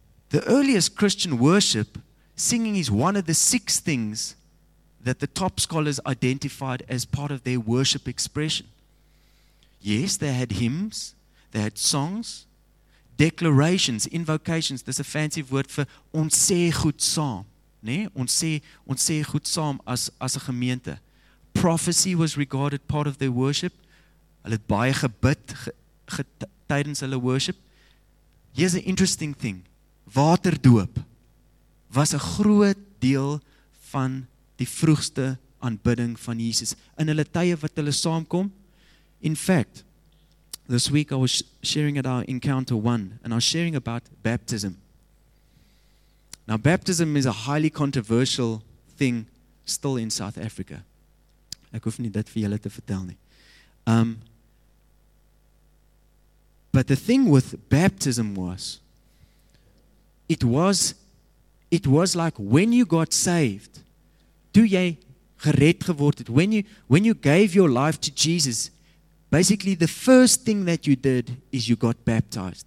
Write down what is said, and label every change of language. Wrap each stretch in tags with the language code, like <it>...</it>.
<en>The earliest Christian worship, singing is one of the six things that the top scholars identified as part of their worship expression. Yes, they had hymns, they had songs, declarations, invocations. There's a fancy word for</en> <af>ons sê goed saam, né? Ons sê goed saam as 'n gemeente.</af> <en>Prophecy was regarded part of their worship.</en> <af>Hulle het baie gebid tydens hulle worship.</af> <en>Here's an interesting thing.</en> <af>Waterdoop was 'n groot deel van die vroegste aanbidding van Jesus in hulle tye wat hulle saamkom.</af> <en>In fact, this week I was sharing at our Encounter 1 and I was sharing about baptism. Now, baptism is a highly controversial thing still in South Africa.</en> <af>Ek hoef nie dit vir julle te vertel nie.</af> <en>But the thing with baptism was, It was like when you got saved,</en> <af>toe jy gered geword het,</af> <en>when you gave your life to Jesus, basically the first thing that you did is you got baptized.</en>